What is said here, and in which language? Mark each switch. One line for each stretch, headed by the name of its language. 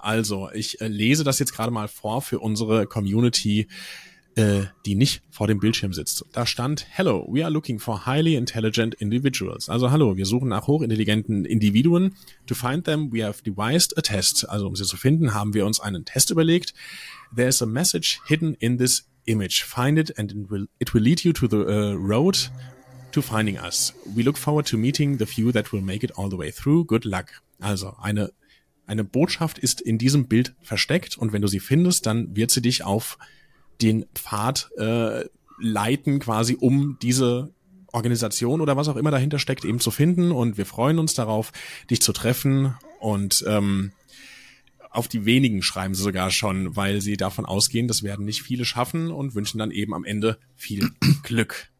German: Also, ich lese das jetzt gerade mal vor für unsere Community, die nicht vor dem Bildschirm sitzt. Da stand,
English: hello, we are looking for highly intelligent individuals.
German: Also hallo, wir suchen nach hochintelligenten Individuen.
English: To find them, we have devised a test.
German: Also um sie zu finden, haben wir uns einen Test überlegt.
English: There is a message hidden in this image. Find it and it will lead you to the road to finding us. We look forward to meeting the few that will make it all the way through. Good luck.
German: Also eine Botschaft ist in diesem Bild versteckt und wenn du sie findest, dann wird sie dich auf den Pfad leiten, quasi um diese Organisation oder was auch immer dahinter steckt, eben zu finden. Und wir freuen uns darauf, dich zu treffen. Und auf die wenigen schreiben sie sogar schon, weil sie davon ausgehen, das werden nicht viele schaffen und wünschen dann eben am Ende viel Glück.